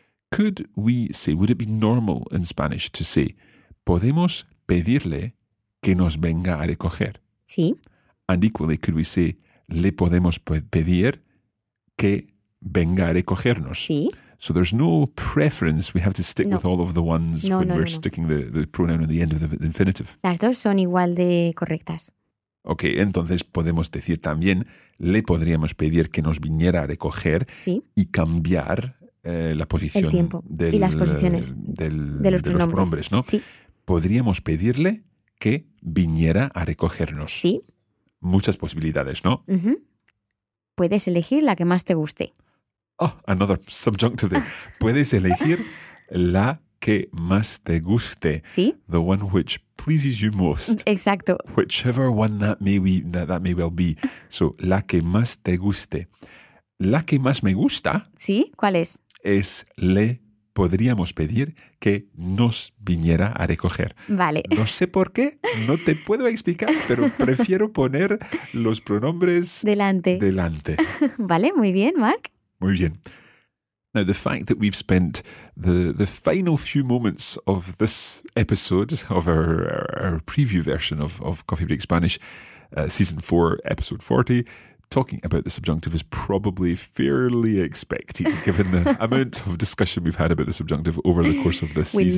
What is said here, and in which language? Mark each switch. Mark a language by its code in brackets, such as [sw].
[en] Could we say, would it be normal in Spanish to say, podemos pedirle que nos venga a recoger? [es] Sí. [en] And equally, could we say, le podemos pedir que venga a recogernos? [es] Sí. [en] So there's no preference. We have to stick [es] no. [en] with all of the ones [es] no, [en] when [es] no, [en] we're sticking [es] no. [en] The pronoun at the end of the infinitive. [es] Las dos son igual de correctas. Ok, entonces podemos decir también, le podríamos pedir que nos viniera a recoger sí. y cambiar la posición el tiempo del, y las posiciones de los pronombres, ¿no? Sí. Podríamos pedirle que viniera a recogernos. Sí. Muchas posibilidades, ¿no? Uh-huh. puedes elegir la que más te guste. [en] Oh, another subjunctive there. [es] Puedes elegir la que más te guste. Sí. [en] The one which pleases you most. [es] Exacto. [en] Whichever one that may well be. [es] So, la que más te guste. La que más me gusta. Sí, ¿cuál es? Es le podríamos pedir que nos viniera a recoger. Vale. No sé por qué, no te puedo explicar, pero prefiero poner los pronombres delante. Vale, muy bien, Mark. Muy bien. [en] Now, the fact that we've spent the final few moments of this episode, of our preview version of Coffee Break Spanish, season 4, episode 40, talking about the subjunctive is probably fairly expected, given the amount of discussion we've had about the subjunctive over the course of this season.